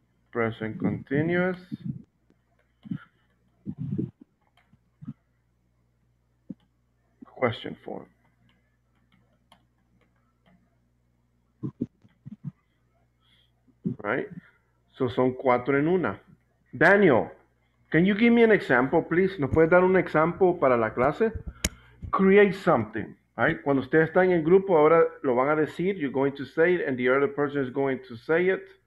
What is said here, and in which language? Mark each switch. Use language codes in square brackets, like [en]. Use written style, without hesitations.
[en] Present continuous, question form. Right? So, [es] son cuatro en una. [en] Daniel, can you give me an example, please? [es] ¿Nos puedes dar un example para la clase? [en] Create something, right? [es] Cuando ustedes están en grupo, ahora lo van a decir. [en] You're going to say it, and the other person is going to say it.